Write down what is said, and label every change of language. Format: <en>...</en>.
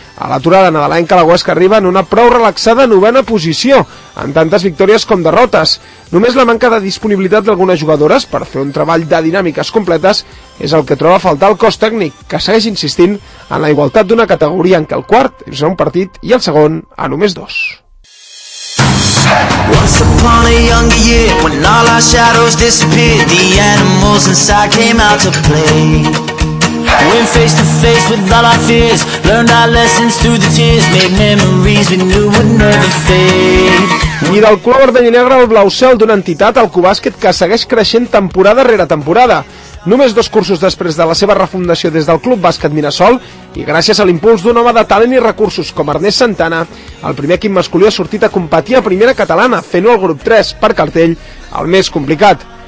<ca>A l'aturada nadalenca, la UESC arriba en una prou relaxada novena posició, amb tantes victòries com derrotes. Només la manca de disponibilitat d'algunes jugadores per fer un treball de dinàmiques completes és el que troba a faltar el cos tècnic, que segueix insistint en la igualtat d'una categoria en què el quart és a un partit i el segon a només dos.</ca> <en>Once upon a younger year, when all our shadows disappeared, the animals inside came out to play. Went face to face with all our fears, learned our lessons through the tears, made memories we knew would never fade.</en> <ca>I del color vermell i negre al blau cel d'una entitat, el CuBàsquet, que segueix creixent temporada rere temporada. Només dos cursos després de la seva refundació des del Club Bàsquet Mirassol, i gràcies a l'impuls d'un home de talent i recursos com Ernest Santana, el primer equip masculí ha sortit a competir a Primera Catalana, fent-ho al grup 3, per cartell, el més complicat.</ca>